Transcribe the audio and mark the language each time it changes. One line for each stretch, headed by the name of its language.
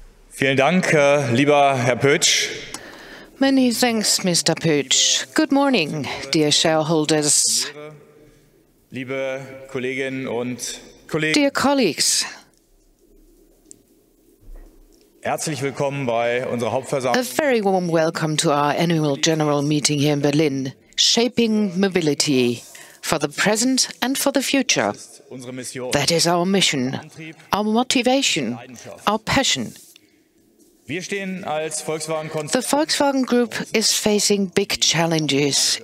German: Vielen Dank, lieber Herr Pötsch.
English: Many thanks, Mr. Pötsch. Good morning, dear shareholders.
German: Liebe Kolleginnen und Kollegen.
English: Dear colleagues.
German: Herzlich willkommen bei unserer Hauptversammlung.
English: A very warm welcome to our annual general meeting here in Berlin, Shaping Mobility for the Present and for the Future. That is our mission, our motivation, our passion. The Volkswagen Group is facing big challenges.